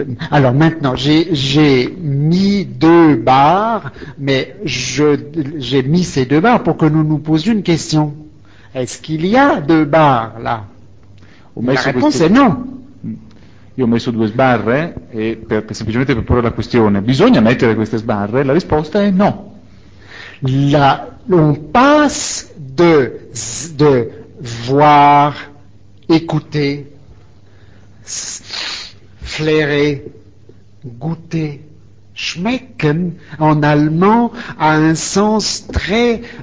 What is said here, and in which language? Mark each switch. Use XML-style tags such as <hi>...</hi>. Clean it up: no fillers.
<fr>Allora, maintenant, j'ai mis deux barres, mais j'ai mis ces deux barres pour que nous nous posions une question. Est-ce qu'il y a deux barres, là? La réponse est non.</fr> <it>Io ho messo due sbarre, e per semplicemente per porre la questione, bisogna mettere queste sbarre? La risposta è no.</it> <fr>Là, on passe de voir, écouter, flairer, goûter, schmecken, en allemand, a un sens très...</fr>